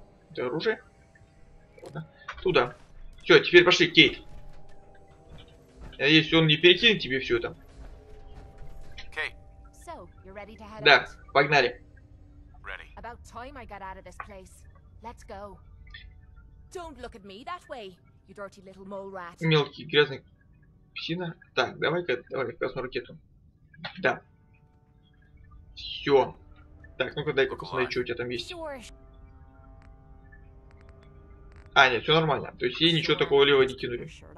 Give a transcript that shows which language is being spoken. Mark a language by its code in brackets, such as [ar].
[ru] Это оружие? Ладно. Туда. Все, теперь пошли, Кейт. Надеюсь, он не перекинет тебе все это. [en] Okay. So, you're ready to head [ru] out? Да, погнали. [en] Ready. About time I got out of this place. Let's go. Don't look at me that way, you dirty little mole rat. [ru] Мелкий, грязный. Псина. Так, давай-ка, давай, красную ракету. Да. Все. Так, ну-ка дай-ка посмотри, что у тебя там есть. А, нет, все нормально. То есть ей ничего такого левого не кинули.